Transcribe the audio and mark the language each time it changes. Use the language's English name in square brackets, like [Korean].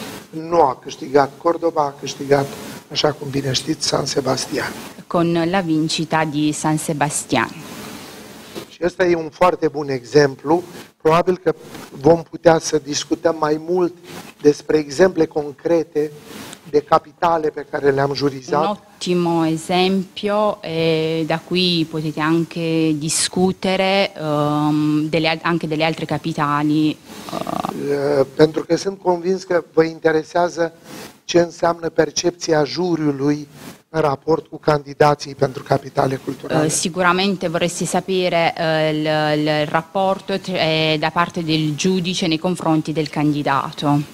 [Romanian] Nu a câștigat Cordoba, a câștigat, așa cum bine știți, San Sebastian. [Italian] Con la vincita di San Sebastian. [Romanian] Și ăsta e un foarte bun exemplu. Probabil că vom putea să discutăm mai mult despre exemple concrete de capitale pe care le-am jurizat. [Italian] Un ottimo esempio e da qui potete anche discutere delle altre capitali. [Romanian] Pentru că sunt convins că vă interesează ce înseamnă percepția juriului rapport cu candidații pentru capitale culturale? [Italian] Sicuramente vorresti sapere il rapporto da parte del giudice nei confronti del candidato.